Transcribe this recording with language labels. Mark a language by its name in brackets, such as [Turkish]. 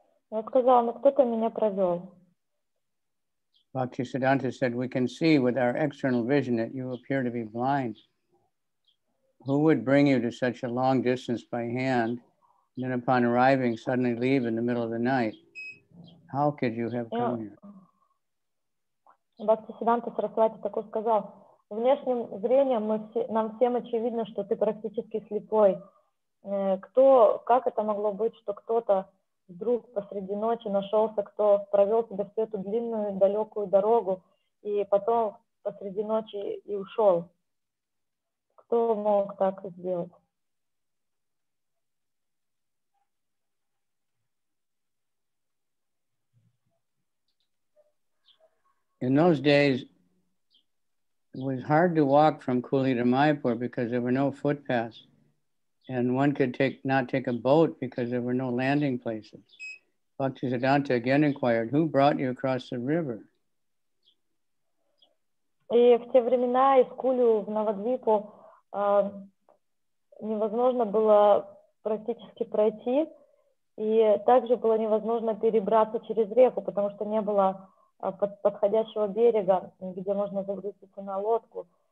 [Russian] Я сказала, ну кто-то меня провел. [English] Bhaktisiddhanta said, "We can see with our external vision that you appear to be blind. Who would bring you to such a long distance by hand, and then upon arriving suddenly leave in the middle of the night? How could you have come here?" [Russian] Бхактисиддханта Сарасвати так сказал: внешним зрением нам всем очевидно, что ты практически слепой. Как это могло быть, что кто-то вдруг посреди ночи нашелся, кто провел тебя всю эту длинную далекую дорогу и потом посреди ночи и ушел. Кто мог так сделать? [English] In those days it was hard to walk from Kuli to Mayapur because there were no footpaths. And one could not take a boat because there were no landing places. Bhaktisiddhanta again inquired, "Who brought you across the river?" [Russian] И в те времена из Кулю в Навадвипу невозможно было практически пройти, и также было невозможно перебраться через реку, потому что не было подходящего берега, где можно загрузиться на лодку.